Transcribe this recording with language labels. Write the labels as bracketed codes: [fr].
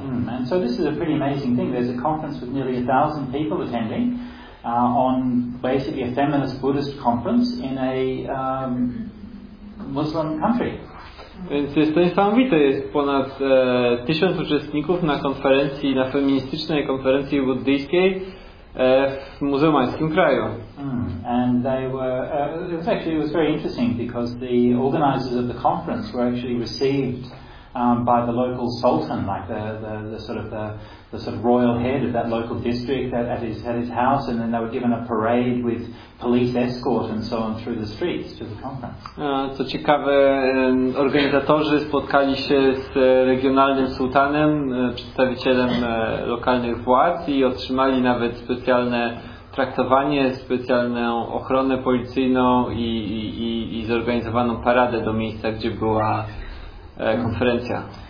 [en] Mm, and so this is a pretty amazing thing. There's a conference with nearly 1,000 people attending on basically a feminist Buddhist conference in a Muslim country. [pl] Więc jest to niesamowite, jest ponad 1000 uczestników na konferencji, na feministycznej konferencji buddyjskiej w muzułmańskim kraju. [en] And they were it was very interesting because the organizers of the conference were actually received by the local sultan, like the sort of royal head of that local district at his house, and then they were given a parade with police escort and so on through the streets to the conference. [pl] Co ciekawe, organizatorzy spotkali się z regionalnym sultanem, przedstawicielem lokalnych władz i otrzymali nawet specjalne traktowanie, specjalną ochronę policyjną i zorganizowaną paradę do miejsca, gdzie była konferencja.